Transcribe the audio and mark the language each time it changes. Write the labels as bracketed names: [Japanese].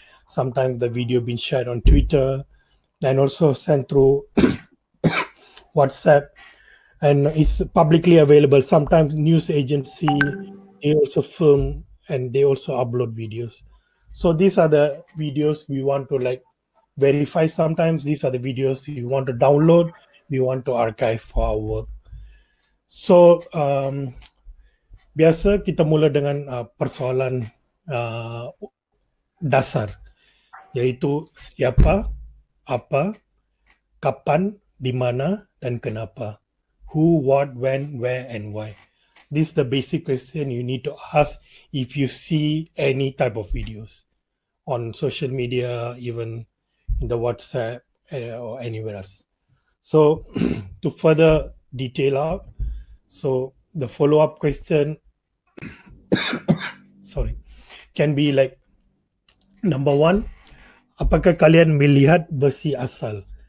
[English] Sometimes the video been shared on Twitter and also sent through WhatsApp, and it's publicly available. Sometimes news agency, they also film and they also upload videos. So these are the videos we want to like verify. Sometimes these are the videos you want to download, we want to archive for our work. [Indonesian] So biasa kita mula dengan persoalan dasar, yaitu siapa, apa, kapan, di mana, dan kenapa. [English] Who, what, when, where, and why. This is the basic question you need to ask if you see any type of videos on social media, even in the WhatsApp or anywhere else. So to further detail out, so the follow-up question, sorry, can be like number one, [Indonesian] apakah kalian melihat versi asal?